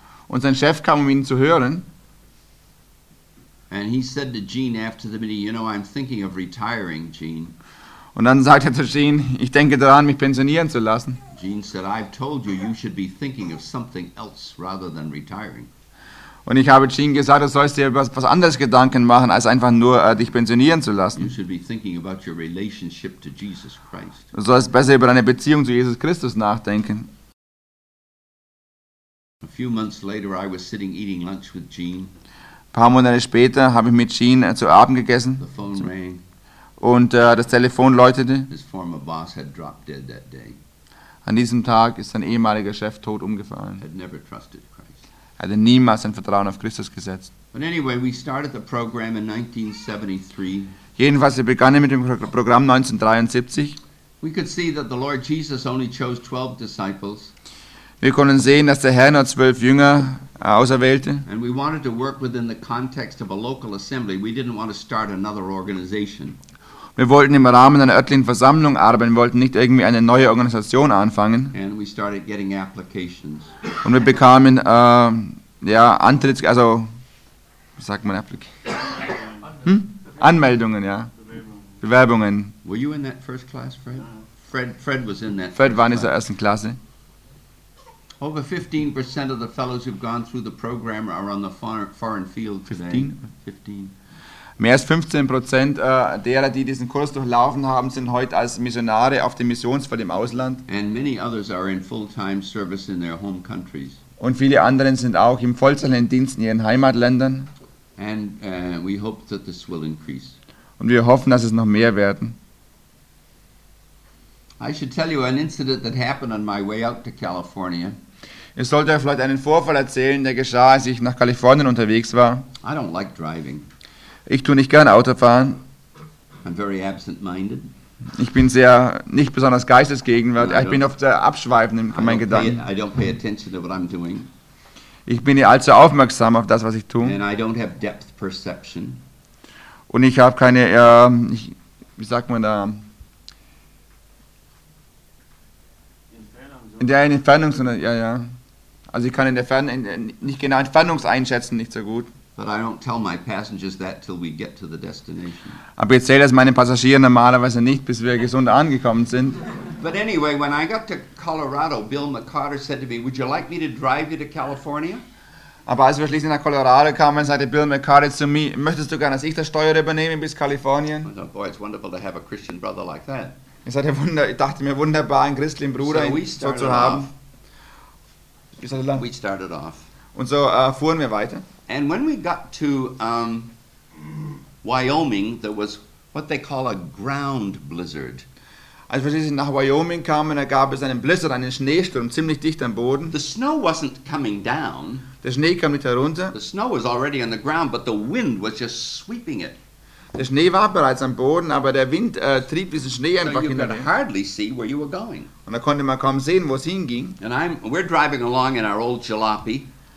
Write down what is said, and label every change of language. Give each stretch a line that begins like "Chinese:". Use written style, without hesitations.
German: Und sein Chef kam, um ihn zu hören.
English: And he said to Jean after the meeting, you know, I'm thinking of retiring, Jean.
German: Und dann sagte er zu Jean, ich denke daran, mich pensionieren zu lassen.
English: Jean said, I've told you, you should be thinking of something else rather than retiring.
German: Und ich habe Jean gesagt, du sollst dir über was anderes Gedanken machen, als einfach nur dich pensionieren zu lassen.
English: You should be thinking about your relationship to Jesus Christ.
German: Du sollst besser über deine Beziehung zu Jesus Christus nachdenken.
English: A few months later, I was sitting eating lunch with Jean.
German: Ein paar Monate später habe ich mit Jean zu Abend gegessen und das Telefon läutete.
English: His former boss had dropped dead that day.
German: An diesem Tag ist sein ehemaliger Chef tot umgefallen.
English: Had never trusted Christ.
German: Er hatte niemals sein Vertrauen auf Christus gesetzt.
English: But anyway, we started the program in 1973.
German: Jedenfalls, wir begannen mit dem Programm 1973.
English: We could see that the Lord Jesus only chose 12 disciples.
German: Wir konnten sehen, dass der Herr nur 12 Jünger auserwählte.
English: And we wanted to work within the context of a local assembly. We didn't want to start another organization.
German: Wir wollten im Rahmen einer örtlichen Versammlung arbeiten, wollten nicht irgendwie eine neue Organisation anfangen.
English: And we started getting applications.
German: Und wir bekamen Antritts, also wie sagt man Anmeldungen, ja. Bewerbungen.
English: Were you in that first class, Fred? Fred was in that.
German: Fred war in dieser ersten Klasse.
English: Over 15% of the fellows who've gone through the program are on the foreign field today.
German: 15. Mehr als 15% derer, die diesen Kurs durchlaufen haben, sind heute als Missionare auf dem Missionsfeld im Ausland.
English: And many others are in full-time service in their home countries.
German: Und viele anderen sind auch im Vollzeitdienst in ihren Heimatländern.
English: And we hope that this will increase.
German: Und wir hoffen, dass es noch mehr werden.
English: I should tell you an incident that happened on my way out to California.
German: Ich sollte vielleicht einen Vorfall erzählen, der geschah, als ich nach Kalifornien unterwegs war.
English: I don't like driving.
German: Ich tue nicht gern Autofahren.
English: I'm very absent-minded.
German: Ich bin sehr nicht besonders geistesgegenwärtig. Ich bin oft sehr abschweifend in meinen Gedanken.
English: I don't pay attention to what I'm doing.
German: Ich bin nicht allzu aufmerksam auf das, was ich tue.
English: And I don't have depth perception.
German: Und ich habe keine, wie sagt man da? In der Entfernung, sondern, ja. Also ich kann nicht genau Entfernung einschätzen, nicht so gut.
English: But I don't tell my passengers that till we get to the destination.
German: Aber ich erzähle das meinen Passagieren normalerweise nicht, bis wir gesund angekommen sind.
English: But anyway, when I got to Colorado, Bill McCarter said to me, would you like me to drive you to California?
German: Aber als wir schließlich nach Colorado kamen, sagte Bill McCarter zu mir, möchtest du gerne, dass ich das Steuer übernehme bis Kalifornien?
English: I thought, boy, it's wonderful to have a Christian brother like that.
German: Ich dachte mir, wunderbar, einen christlichen Bruder so zu haben.
English: We started off.
German: Und so fuhren wir weiter.
English: And when we got to Wyoming, there was what they call a ground blizzard.
German: Als wir nach Wyoming kamen, da gab es einen Blizzard, einen Schneesturm, ziemlich dicht am Boden.
English: The snow wasn't coming down.
German: Der Schnee kam nicht herunter.
English: The snow was already on the ground, but the wind was just sweeping it.
German: Der Schnee war bereits am Boden, aber der Wind trieb diesen Schnee einfach so hinterher.
English: Hardly see where you were going.
German: Und da konnte man kaum sehen, wo es hinging.
English: And we're driving along in our old jalopy.